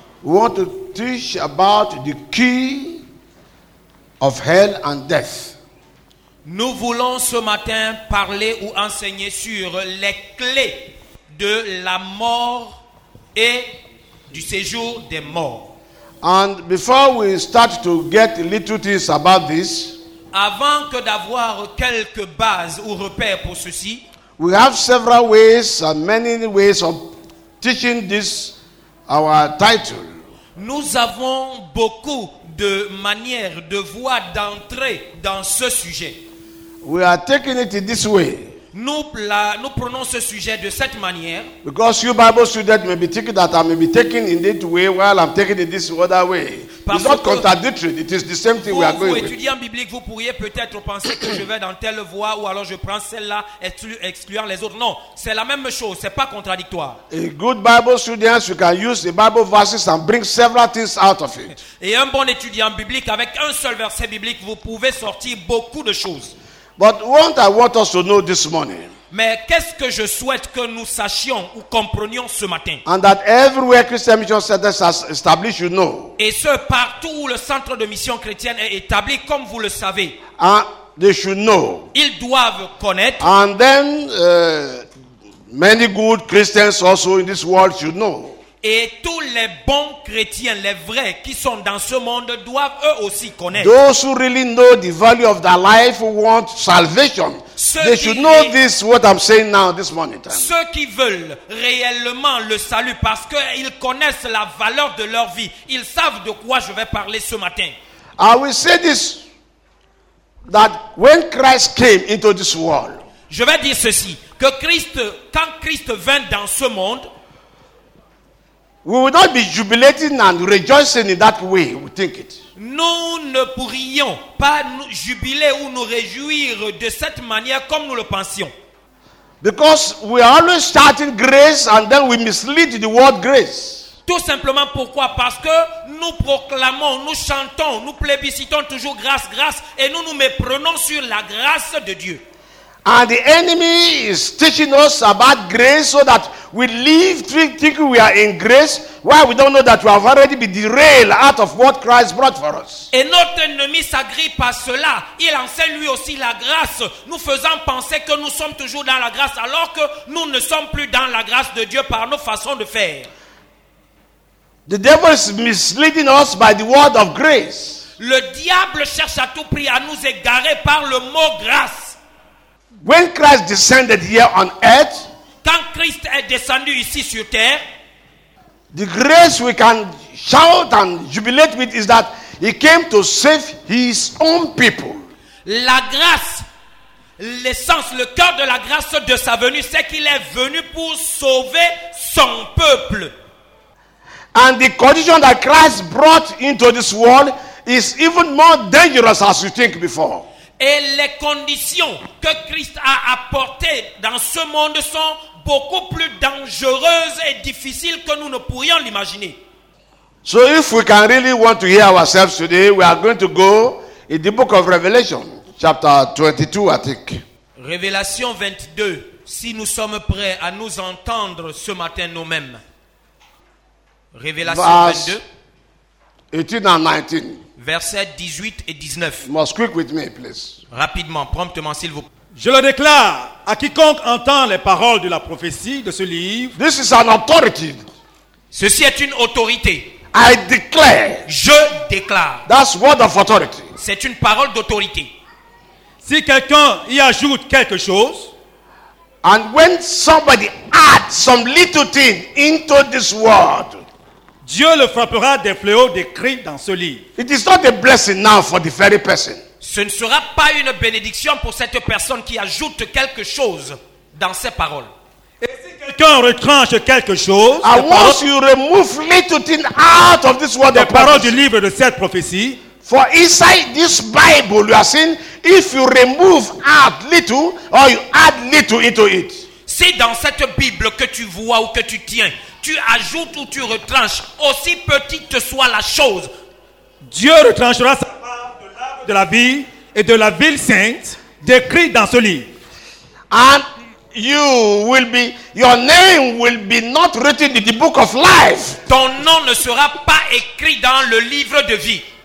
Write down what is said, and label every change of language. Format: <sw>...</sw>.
<en>we want to teach about the key of hell and death.</en> <fr>Nous voulons ce matin parler ou enseigner sur les clés de la mort et du séjour des morts.</fr> <en>And before we start to get little things about this,</en> <fr>avant que d'avoir quelques bases ou repères pour ceci,</fr> <en>we have several ways and many ways of teaching this, our title.</en> <fr>Nous avons beaucoup de manières, de voies d'entrée dans ce sujet.</fr> <en>We are taking it this way.</en> <fr>Nous prenons ce sujet de cette manière.</fr> <en>Because you Bible students may be thinking that I may be taking it in this way while I'm taking it this other way. It's not contradictory. It is the same thing we are going with.</en> <fr>Vous étudiant biblique, vous pourriez peut-être penser que je vais dans telle voie ou alors je prends celle-là, excluant les autres. Non, c'est la même chose. C'est pas contradictoire.</fr> <en>A good Bible student, you can use the Bible verses and bring several things out of it.</en> <fr>Et un bon étudiant biblique, avec un seul verset biblique, vous pouvez sortir beaucoup de choses.</fr> <en>But what I want us to know this morning.</en> <fr>Mais qu'est-ce que je souhaite que nous sachions ou comprenions ce matin?</fr> <en>And that everywhere Christian Mission Center has established, you know.</en> <fr>Et ce partout où le centre de mission chrétienne est établi, comme vous le savez.</fr> <en>And they should know.</en> <fr>Ils doivent connaître.</fr> <en>And then many good Christians also in this world should know.</en> <fr>Et tous les bons chrétiens, les vrais qui sont dans ce monde doivent eux aussi connaître.</fr> <en>Those who really know the value of their life want salvation. They should know this, what I'm saying now, this morning.</en> <fr>Ceux qui veulent réellement le salut parce qu'ils connaissent la valeur de leur vie, ils savent de quoi je vais parler ce matin.</fr> <en>I will say this, that when Christ came into this world,</en> <fr>je vais dire ceci, que Christ, quand Christ vint dans ce monde,</fr> <en>we would not be jubilating and rejoicing in that way, we think it.</en> <fr>Nous ne pourrions pas nous jubiler ou nous réjouir de cette manière comme nous le pensions.</fr> <en>Because we are always starting grace and then we mislead the word grace.</en> <fr>Tout simplement pourquoi? Parce que nous proclamons, nous chantons, nous plébiscitons toujours grâce, grâce et nous nous méprenons sur la grâce de Dieu.</fr> <en>And the enemy is teaching us about grace so that we live thinking we are in grace while we don't know that we have already been derailed out of what Christ brought for us.</en> <fr>Et notre ennemi s'agrippe à cela. Il enseigne lui aussi la grâce, nous faisant penser que nous sommes toujours dans la grâce alors que nous ne sommes plus dans la grâce de Dieu par nos façons de faire.</fr> <en>The devil is misleading us by the word of grace.</en> <fr>Le diable cherche à tout prix à nous égarer par le mot grâce.</fr> <en>When Christ descended here on earth,</en> <fr>quand Christ est descendu ici sur terre,</fr> <en>the grace we can shout and jubilate with is that he came to save his own people.</en> <fr>La grâce, l'essence, le cœur de la grâce de sa venue, c'est qu'il est venu pour sauver son peuple.</fr> <en>And the condition that Christ brought into this world is even more dangerous as you think before.</en> <fr>Et les conditions que Christ a apportées dans ce monde sont beaucoup plus dangereuses et difficiles que nous ne pourrions l'imaginer.</fr> <en>So if we can really want to hear ourselves today, we are going to go in the book of Revelation, chapter 22, I think.</en> <fr>Révélation 22, si nous sommes prêts à nous entendre ce matin nous-mêmes. Révélation 22,</fr> <en>18 and 19.</en> <fr>Versets 18 et 19.</fr> <en>Must speak with me, please.</en> <fr>Rapidement, promptement, s'il vous plaît. Je le déclare à quiconque entend les paroles de la prophétie de ce livre.</fr> <en>This is an authority.</en> <fr>Ceci est une autorité.</fr> <en>I declare.</en> <fr>Je déclare.</fr> <en>That's word of authority.</en> <fr>C'est une parole d'autorité. Si quelqu'un y ajoute quelque chose.</fr> <en>And when somebody adds some little thing into this word.</en> <fr>Dieu le frappera des fléaux décrits dans ce livre.</fr> <en>It is not a blessing now for the very person.</en> <fr>Ce ne sera pas une bénédiction pour cette personne qui ajoute quelque chose dans ses paroles. Et si quelqu'un retranche quelque chose,</fr> <en>and once you remove little thing out of this word,</en> <fr>des paroles du livre de cette prophétie,</fr> <en>for inside this Bible you are saying, if you remove out little or you add little into it.</en> <fr>Si dans cette Bible que tu vois ou que tu tiens, tu ajoutes ou tu retranches, aussi petite soit la chose, Dieu retranchera sa part de la vie et de la ville sainte décrite dans ce livre.</fr> <en>And You will be, your name will be not written in the book of life.</en> <fr>Ton nom ne sera pas écrit dans le livre de vie.</fr>